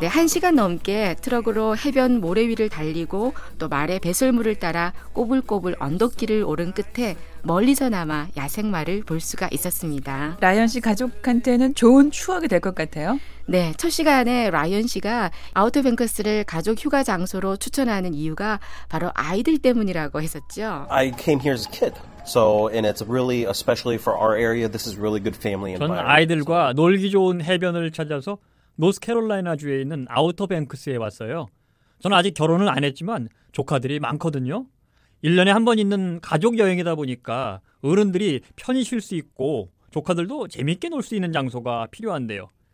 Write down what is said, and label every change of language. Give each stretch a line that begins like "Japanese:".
Korean: 네, 한 시간 넘게 트럭으로 해변 모래 위를 달리고 또 말의 배설물을 따라 꼬불꼬불 언덕길을 오른 끝에 멀리서나마 야생마를 볼 수가 있었습니다. 라이언 씨 가족한테는 좋은 추억이 될 것 같아요. 네, 첫 시간에 라이언 씨가 아우터뱅크스를 가족 휴가 장소로 추천하는 이유가 바로 아이들 때문이라고 했었죠.
English: I came here as a kid. So, and it's really, especially for our area, this is really good family environment.
Korean: 저는 아이들과 놀기 좋은 해변을 찾아서 노스캐롤라이나주에 있는 아우터뱅크스에 왔어요. 저는 아직 결혼을 안 했지만 조카들이 많거든요. 1년에 한 번 있는 가족 여행이다 보니까 어른들이 편히 쉴 수 있고 조카들도 재밌게 놀 수 있는 장소가 필요한데요.